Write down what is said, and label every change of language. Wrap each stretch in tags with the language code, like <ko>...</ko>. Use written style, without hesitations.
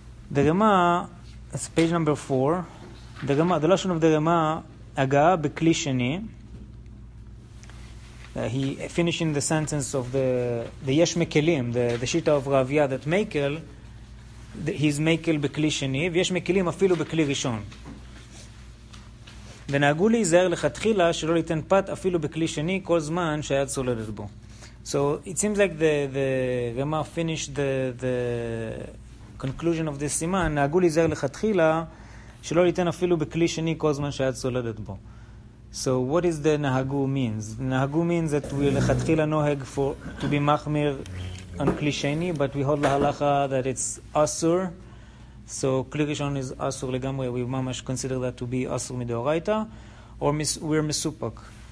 <en>The Rema, it's page number 4. The Rema, the Lashon of the Rema, Aga, Beklisheni. he finishing the sentence of the Yesh Mekelim, the Shita of Ravia, that Mekel, he's Mekel Bekli Sheni, Yesh Mekelim Afilu Bekli Rishon.</en> <he>ונהגו להיזהר לכתחילה שלא ליתן פת אפילו בכלי שני כל זמן שהיה צוללת בו.</he> <en>So it seems like the Rama finished the conclusion of this siman.</en> <he>נהגו להיזהר לכתחילה שלא ליתן אפילו בכלי שני כל זמן שהיה צוללת בו.</he> <en>So what is the נהגו means? נהגו means that we לכתחילה נוהג for to be מחמיר on כלי שני, but we hold להלכה that it's אסור. So Kli Rishon is Asur Legamre, we mamash consider that to be Asur Midoraita, or we're Mesupak.</en>